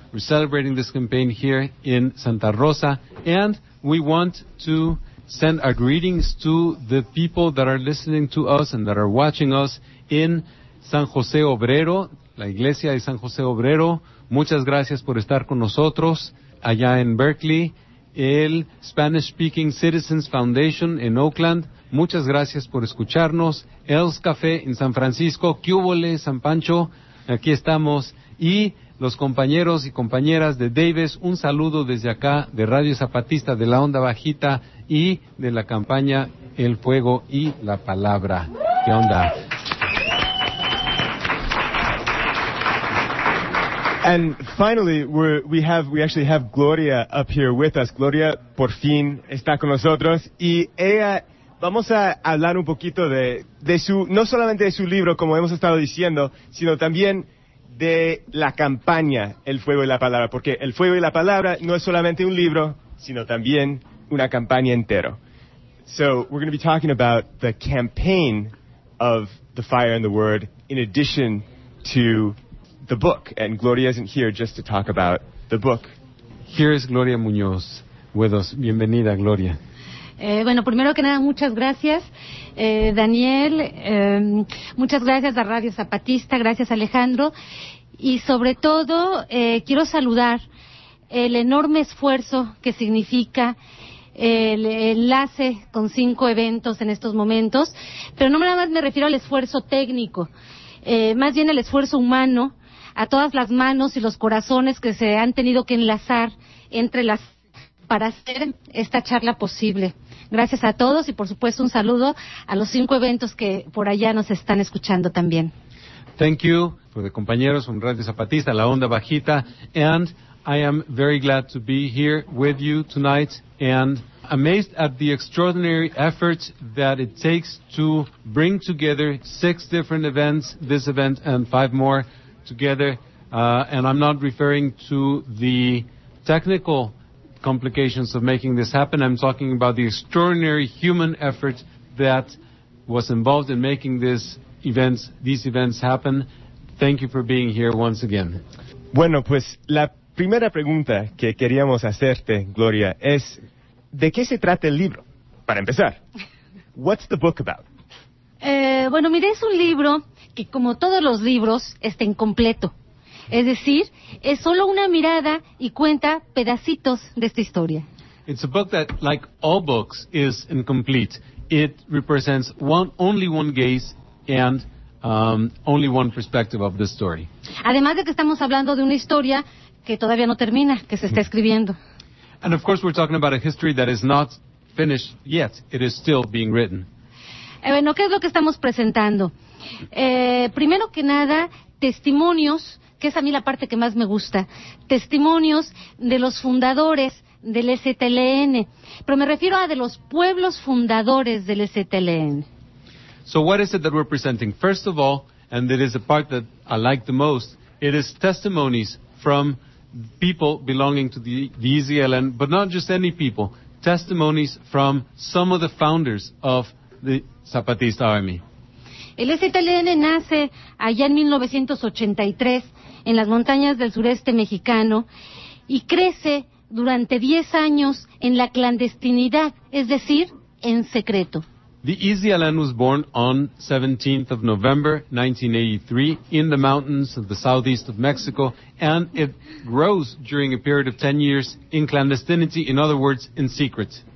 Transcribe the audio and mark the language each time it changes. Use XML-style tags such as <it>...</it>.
<en>We're celebrating this campaign here in Santa Rosa. And we want to send our greetings to the people that are listening to us and that are watching us in San José Obrero,</en> <es>la iglesia de San José Obrero. Muchas gracias por estar con nosotros allá en Berkeley. El Spanish Speaking Citizens Foundation en Oakland, muchas gracias por escucharnos. El's Café en San Francisco, Cúbole, San Pancho, aquí estamos. Y los compañeros y compañeras de Davis, un saludo desde acá de Radio Zapatista, de la Onda Bajita y de la campaña El Fuego y la Palabra. ¿Qué onda?</es> <en>And finally, we actually have Gloria up here with us.</en> <es>Gloria, por fin, está con nosotros. Y ella vamos a hablar un poquito de su, no solamente de su libro, como hemos estado diciendo, sino también de la campaña El Fuego y la Palabra, porque El Fuego y la Palabra no es solamente un libro, sino también una campaña entero.</es> <en>So, we're going to be talking about the campaign of The Fire and the Word in addition to the book. And Gloria isn't here just to talk about the book. Here is Gloria Muñoz with us.</en> <es>Bienvenida,</es> <en>Gloria.</en> <es>Bueno, primero que nada, muchas gracias, Daniel. Muchas gracias a Radio Zapatista, gracias Alejandro. Y sobre todo, quiero saludar el enorme esfuerzo que significa el enlace con 5 eventos en estos momentos. Pero no nada más me refiero al esfuerzo técnico, más bien el esfuerzo humano, a todas las manos y los corazones que se han tenido que enlazar entre las para hacer esta charla posible. Gracias a todos y por supuesto un saludo a los 5 eventos que por allá nos están escuchando también.</es> <en>Thank you for the compañeros from Radio Zapatista, La Onda Bajita, and I am very glad to be here with you tonight and amazed at the extraordinary efforts that it takes to bring together 6 different events, this event and 5 more together. And I'm not referring to the technical complications of making this happen. I'm talking about the extraordinary human effort that was involved in making these events happen. Thank you for being here once again.</en> <es>Bueno, pues la primera pregunta que queríamos hacerte, Gloria, es ¿de qué se trata el libro? Para empezar,</es> <en>what's the book about?</en> <es>Bueno, mire, es un libro que como todos los libros está incompleto. Es decir, es solo una mirada y cuenta pedacitos de esta historia.</es> <en>It's a book that, like all books, is incomplete. It represents only one gaze and only one perspective of the story.</en> <es>Además de que estamos hablando de una historia que todavía no termina, que se está escribiendo.</es> <en>And of course we're talking about a history that is not finished yet. It is still being written.</en> <es>Bueno, ¿qué es lo que estamos presentando? Primero que nada, testimonios, que es a mí la parte que más me gusta, testimonios de los fundadores del EZLN, pero me refiero a de los pueblos fundadores del EZLN.</es> <en>So what is it that we're presenting? First of all, and it is the part that I like the most, it is testimonies from people belonging to the EZLN, but not just any people, testimonies from some of the founders of the Zapatista Army.</en> <es>El EZLN nace allá en 1983, en las montañas del sureste mexicano, y crece durante 10 años en la clandestinidad, es decir, en secreto.</es> <en>The EZLN was born on 17th of November 1983 in the mountains of the southeast of Mexico, and it grows during a period of 10 years in clandestinity, in other words, in secret.</en>